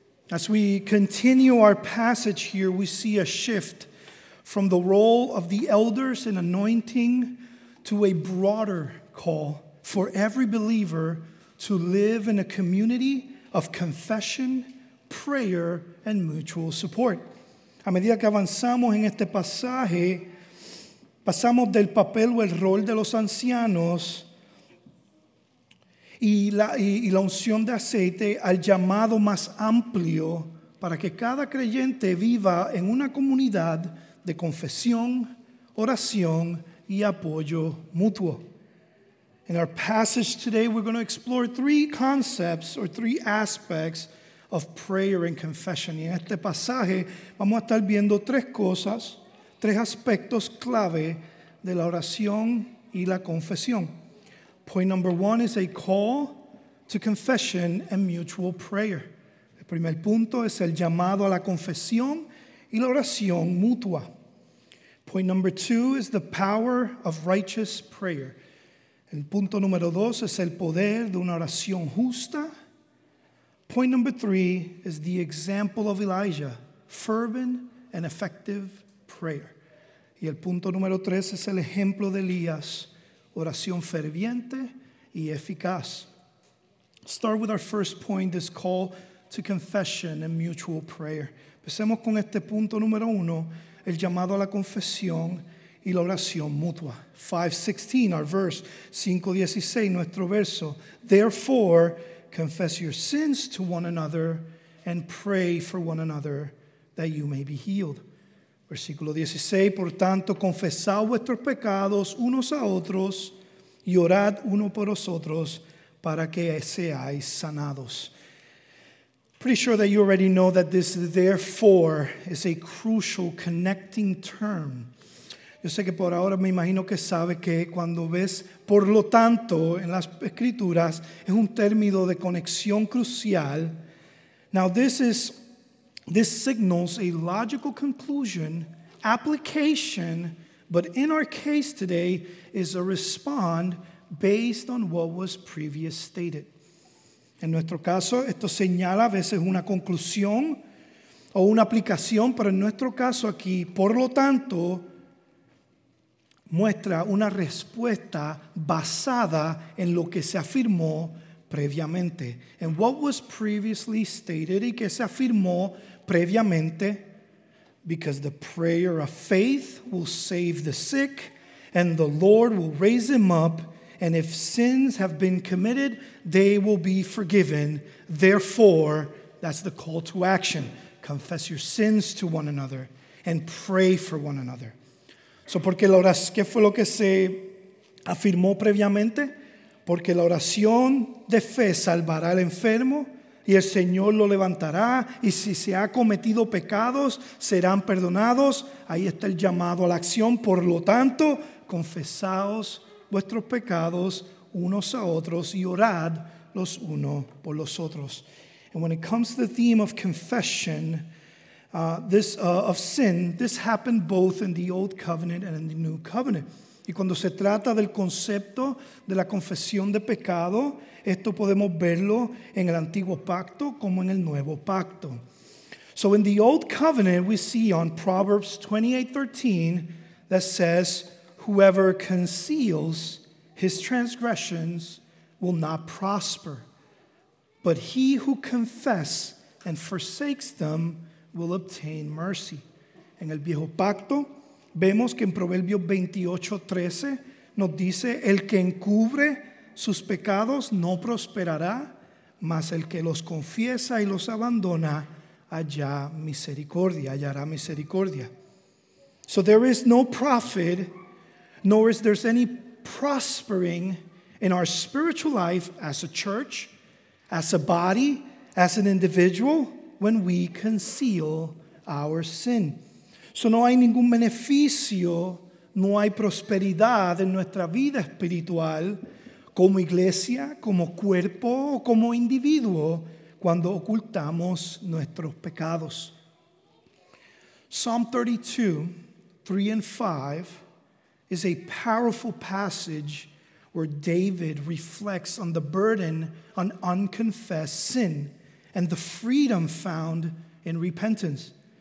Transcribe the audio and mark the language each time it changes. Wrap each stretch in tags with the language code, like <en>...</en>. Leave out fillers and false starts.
<en>As we continue our passage here, we see a shift from the role of the elders in anointing to a broader call for every believer to live in a community of confession, prayer, and mutual support.</en> <es>A medida que avanzamos en este pasaje, pasamos del papel o el rol de los ancianos y la unción de aceite al llamado más amplio para que cada creyente viva en una comunidad de confesión, oración y apoyo mutuo.</es> <en>In our passage today, we're going to explore three concepts or three aspects of prayer and confession.</en> <es>Y en este pasaje vamos a estar viendo tres cosas, tres aspectos clave de la oración y la confesión.</es> <en>Point number one is a call to confession and mutual prayer.</en> <es>El primer punto es el llamado a la confesión y la oración mutua.</es> <en>Point number two is the power of righteous prayer.</en> <es>El punto número dos es el poder de una oración justa.</es> <en>Point number three is the example of Elijah, fervent and effective prayer.</en> <es>Y el punto número tres es el ejemplo de Elías, oración ferviente y eficaz.</es> <en>Start with our first point, this call to confession and mutual prayer.</en> <es>Empecemos con este punto número uno, el llamado a la confesión y la oración mutua.</es> <en>5:16, our verse. 5:16,</en> <es>nuestro verso.</es> <en>Therefore, confess your sins to one another and pray for one another that you may be healed.</en> <es>Versículo 16, por tanto, confesad vuestros pecados unos a otros y orad uno por los otros para que seáis sanados.</es> <en>Pretty sure that you already know that this therefore is a crucial connecting term.</en> <es>Yo sé que por ahora me imagino que sabe que cuando ves por lo tanto en las escrituras es un término de conexión crucial.</es> <en>Now this signals a logical conclusion, application, but in our case today is a respond based on what was previously stated.</en> <es>En nuestro caso, esto señala a veces una conclusión o una aplicación, pero en nuestro caso aquí, por lo tanto, muestra una respuesta basada en lo que se afirmó previamente.</es> <en>And what was previously stated,</en> <es>y que se afirmó previamente,</es> <en>because the prayer of faith will save the sick, and the Lord will raise him up, and if sins have been committed, they will be forgiven. Therefore, that's the call to action. Confess your sins to one another and pray for one another.</en> <es>So, porque la oración, ¿qué fue lo que se afirmó previamente? Porque la oración de fe salvará al enfermo y el Señor lo levantará, y si se ha cometido pecados, serán perdonados. Ahí está el llamado a la acción. Por lo tanto, confesaos vuestros pecados unos a otros y orad los unos por los otros.</es> <en>And when it comes to the theme of confession, this happened both in the Old Covenant and in the New Covenant.</en> <es>Y cuando se trata del concepto de la confesión de pecado, esto podemos verlo en el Antiguo Pacto como en el Nuevo Pacto.</es> <en>So in the Old Covenant, we see on Proverbs 28:13 that says, whoever conceals his transgressions will not prosper, but he who confesses and forsakes them will obtain mercy.</en> <es>En el Viejo Pacto, vemos que en Proverbios 28:13 nos dice, el que encubre sus pecados no prosperará, mas el que los confiesa y los abandona hallará misericordia.</es> <en>So there is no profit, nor is there any prospering in our spiritual life as a church, as a body, as an individual, when we conceal our sin.</en> <es>So no hay ningún beneficio, no hay prosperidad en nuestra vida espiritual como iglesia, como cuerpo o como individuo cuando ocultamos nuestros pecados.</es> <en>Psalm 32, 3 and 5 is a powerful passage where David reflects on the burden on unconfessed sin and the freedom found in repentance.</en>